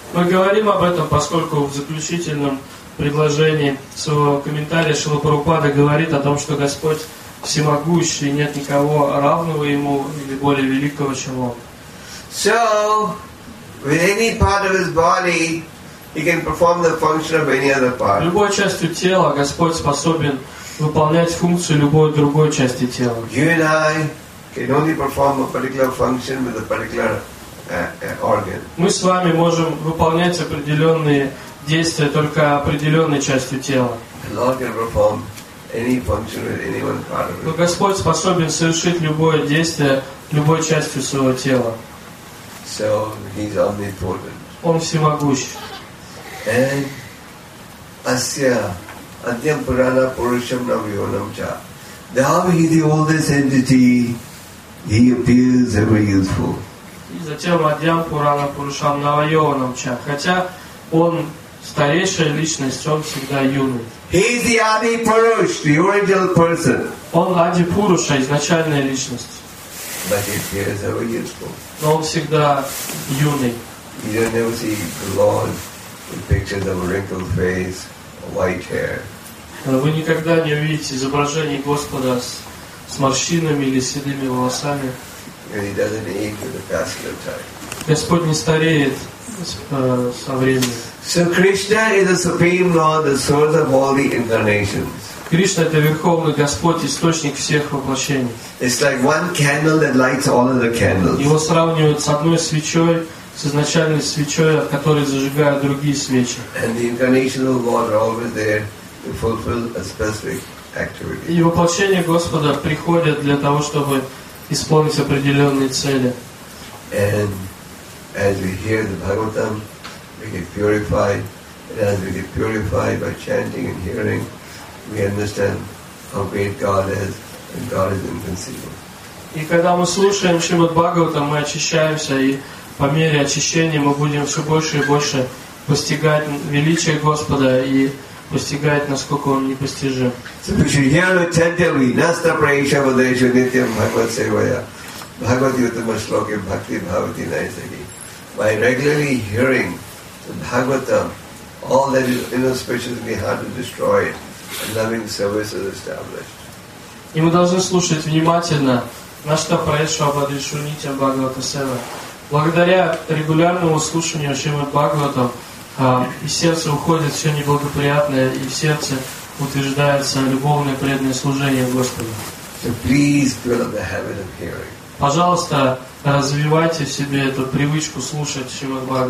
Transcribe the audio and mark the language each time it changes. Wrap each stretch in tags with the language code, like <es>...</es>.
<ru>Мы говорим об этом, поскольку в заключительном предложении своего комментария Шрила Прабхупада говорит о том, что Господь всемогущ, и нет никого равного Ему или более великого, чем Он.</ru> <en>So, with any part of His body, He can perform the function of any other part.</en> <ru>Любой частью тела Господь способен выполнять функцию любой другой части тела.</ru> <en>You and I can only perform a particular function with a particular organ.</en> <ru>Мы с вами можем выполнять определенные действия только определенной частью тела.</ru> <en>The Lord can perform any function with any one part of it.</en> <ru>Но Господь способен совершить любое действие любой частью своего тела.</ru> <en>So He's omnipotent.</en> <ru>Он всемогущ.</ru> <en>And</en> <sa>asya adhyam purana purusham navyonam cha.</sa> <en>Now he is the oldest entity. He appears ever youthful.</en> <ru>И затем</ru> <sa>адьям пурана пурушам навайонам ча.</sa> <ru>Хотя он старейшая личность, он всегда юный.</ru> <en>He is the Adi Purush, the original person.</en> <ru>Он Ади Пуруша, изначальная личность.</ru> <en>But he appears ever youthful.</en> <ru>Но он всегда юный.</ru> <en>You never see the Lord with pictures of a wrinkled face, white hair.</en> <ru>Вы никогда не увидите изображений Господа с морщинами или седыми волосами.</ru> <en>And he doesn't age with the passing of time.</en> <ru>Господь не стареет со временем.</ru> <en>So Krishna is the Supreme Lord, the source of all the incarnations.</en> <ru>Кришна — это Верховный Господь, источник всех воплощений.</ru> <en>It's like one candle that lights all of the candles.</en> <ru>Его сравнивают с одной свечой, с изначальной свечой, от которой зажигают другие свечи.</ru> <en>And the incarnation of the Lord are always there to fulfill a specific activity.</en> <ru>И воплощение Господа приходит для того, чтобы исполнить определенные цели.</ru> <en>And as we hear the Bhagavatam, we get purified. And as we get purified by chanting and hearing, we understand how great God is, and God is inconceivable.</en> <ru>И когда мы слушаем Шримад Бхагаватам, мы очищаемся, и по мере очищения мы будем все больше и больше постигать величие Господа и постигать, насколько Он непостижим.</ru> <en>So we should hear attentively.</en> <sa>Nasta praisha vadeshu nityam bhagavat sevaya. Bhagavati uttama shloke bhakti bhavati naisaki.</sa> <en>By regularly hearing the Bhagavatam, all that is inauspicious may have to destroy it, and loving service is established.</en> <ru>И мы должны слушать внимательно</ru> <sa>Нашта Прайшу Абадришу Нитям Бхагавата Сева.</sa> <ru>Благодаря регулярному слушанию Шримад Бхагаватам из сердца уходит все неблагоприятное, и в сердце утверждается любовное преданное служение Господу.</ru> <en>So please build up the habit of hearing.</en> <ru>Пожалуйста, развивайте в себе эту привычку слушать Шримад</ru>